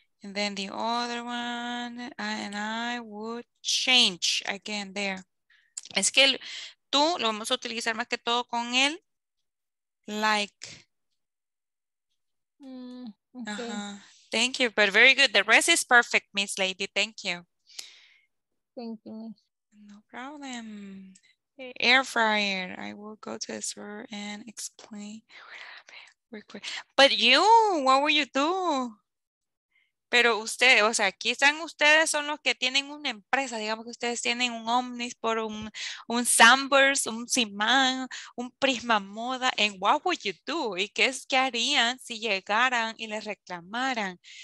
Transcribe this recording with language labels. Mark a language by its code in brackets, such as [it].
[en] And then the other one, and I would change again there. [es] Es que el tú lo vamos a utilizar más que todo con el like. [en] Okay. Uh-huh. Thank you, but very good. The rest is perfect, Miss Lady. Thank you. Thank you. No problem. Air fryer. I will go to the store and explain. But you, what will you do? [es] Pero ustedes, o sea, aquí están ustedes, son los que tienen una empresa. Digamos que ustedes tienen un Omnisport, un Sambers, un Simán, un Prisma Moda. [en] And what would you do? [es] ¿Y qué harían si llegaran y les reclamaran?